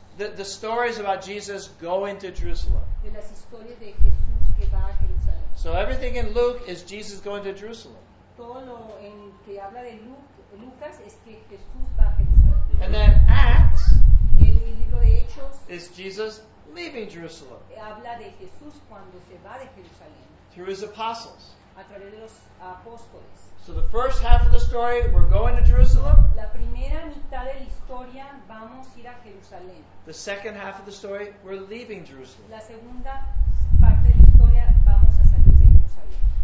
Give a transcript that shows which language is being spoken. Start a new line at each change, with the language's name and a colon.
English: The stories about Jesus going to Jerusalem.
Spanish: De las historias de Jesús que va a Jerusalén.
English: So everything in Luke is Jesus going to Jerusalem.
Spanish: Todo lo en que habla de Lucas es que Jesús va a Jerusalén.
English: And then Acts,
Spanish: el libro de Hechos,
English: is Jesus leaving Jerusalem.
Spanish: Habla de Jesús cuando se va de Jerusalén.
English: Through his apostles.
Spanish: A través de los apóstoles.
English: So the first half of the story, we're going to Jerusalem.
Spanish: La primera mitad de la historia, vamos a ir a Jerusalén.
English: The second half of the story, we're leaving Jerusalem.
Spanish: La segunda parte de la historia, vamos a salir de Jerusalén.